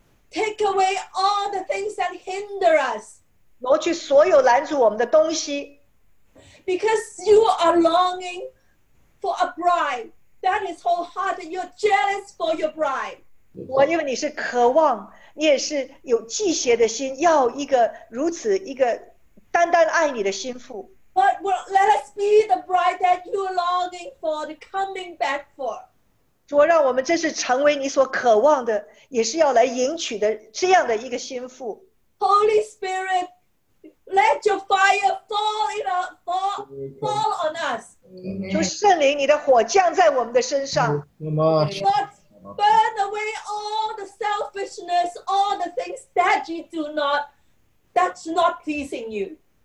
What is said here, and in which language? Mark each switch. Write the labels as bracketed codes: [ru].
[en] Take away all the things that hinder us. [zh] 挪去所有拦阻我们的东西。 [en] Because you are longing for a bride. That is wholehearted. You're jealous for your bride. [zh] 我因为你是渴望，你也是有祭邪的心，要一个如此一个。单单爱你的心腹, [en] but let us be the bride that you are longing for, the coming back for. [zh] 主，让我们真是成为你所渴望的，也是要来迎娶的这样的一个心腹。 [en] Holy Spirit, let your fire fall on us. [zh] 求圣灵，你的火降在我们的身上。 [en] Lord, burn away all the selfishness, all the things that you do not, that's not pleasing you.